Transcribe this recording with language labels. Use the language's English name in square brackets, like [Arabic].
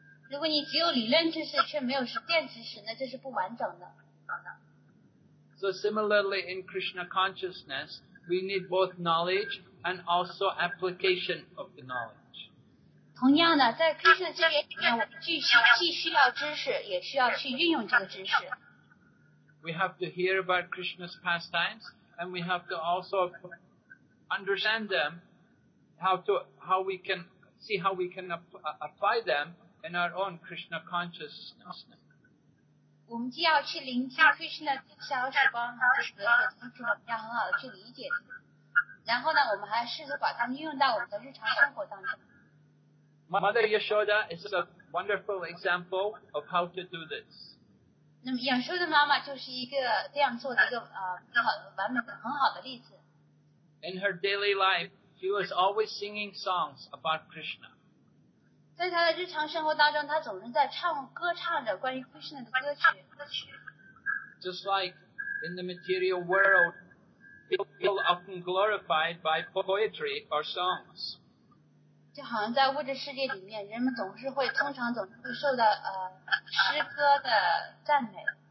[Chinese] 如果你只有理论知识却没有实践知识，那这是不完整的。 [English] So similarly in Krishna consciousness, we need both knowledge and also application of the knowledge. [Chinese] 同样的，在 Krishna 这边里面，我们既需要知识，也需要去运用这个知识。 [English] We have to hear about Krishna's pastimes, and we have to also understand them, how we can apply them in our own Krishna consciousness. [Chinese] 我们既要去聆听 Krishna 的消息，帮我们得到知识，我们要很好的去理解。然后呢，我们还试图把它运用到我们的日常生活当中。 [English] Mother Yashoda is a wonderful example of how to do this. [Chinese] 那么Yashoda妈妈就是一个这样做的一个完美的很好的例子。 [English] In her daily life, she was always singing songs about Krishna. [Chinese] 在她的日常生活当中，她总是在唱歌唱着关于 Krishna 的歌曲。 [English] Just like in the material world, people often glorified by poetry or songs. [Chinese] 就好像在物质世界里面，人们总是会通常总是受到诗歌的赞美。